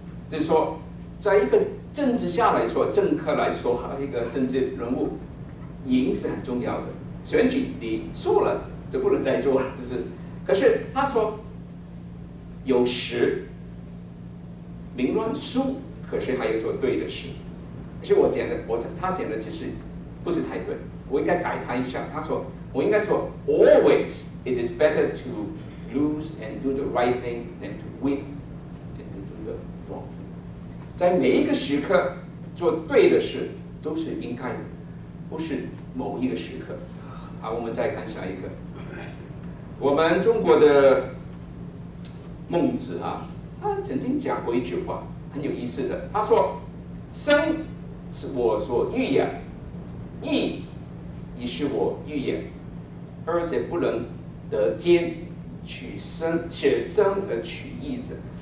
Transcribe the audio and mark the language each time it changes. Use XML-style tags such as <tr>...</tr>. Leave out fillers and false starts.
<zh>就是说在一个政治下来说，政客来说，一个政治人物，赢是很重要的，选举你输了就不能再做了，就是。可是他说有时凌乱输，可是还要做对的事。可是我讲的，他讲的其实不是太对，我应该改他一下。他说我应该说</zh> <en>always it is better to lose and do the right thing than to win and to do the wrong thing。</en> <zh>在每一个时刻做对的事都是应该的，不是某一个时刻。好，我们再看下一个。我们中国的孟子啊，他曾经讲过一句话很有意思的，他说生是我所欲养，义已是我欲养，而且不能得兼，取生舍生而取义者。</zh>